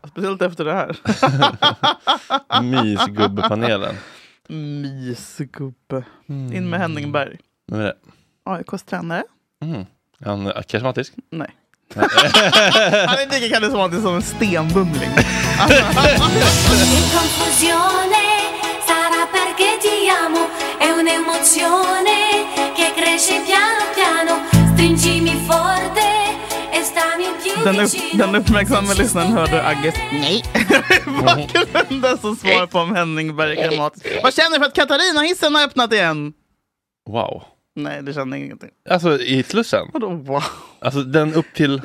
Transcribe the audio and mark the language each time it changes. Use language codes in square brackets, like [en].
[sv] Ja, speciellt efter det här. Mysgubbe-panelen. Mysgubbe. In med Henning Berg. Vad är det? AIKs tränare. Mm. Han är karismatisk? Nej. Han är lika karismatisk som en stenbumling. [it] Confusione sarà perché ti amo è un'emozione che cresce piano piano. Stringimi forte e stammi più vicino. [sv] Den uppmärksamma lyssnaren hörde Agge. Nej. Bakgrunden som svar på om Henning Berg är karismatisk. Vad känner du för att Katarina hissen har öppnat igen? Wow. Nej, det känner ingenting. Alltså, i slussen? Vadå, wow. Alltså, den upp till...